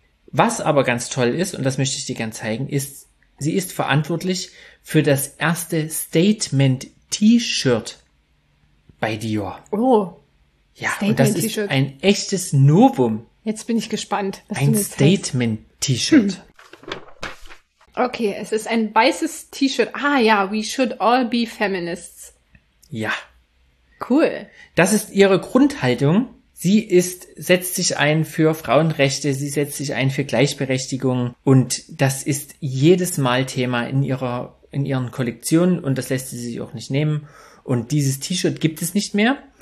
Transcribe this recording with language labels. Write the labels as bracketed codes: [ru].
[de] Was aber ganz toll ist, und das möchte ich dir gern zeigen, ist, sie ist verantwortlich für das erste Statement T-Shirt bei Dior. Oh, ja, Statement und das ist T-Shirt. Ein echtes Novum. Jetzt bin ich gespannt. Was ein Statement-T-Shirt. Okay, es ist ein weißes T-Shirt. [en] Ah ja, we should all be feminists. [de] Ja. Cool. Das ist ihre Grundhaltung. Sie setzt sich ein für Frauenrechte, sie setzt sich ein für Gleichberechtigung. Und das ist jedes Mal Thema in ihren Kollektionen. Und das lässt sie sich auch nicht nehmen. Und dieses T-Shirt gibt es nicht mehr.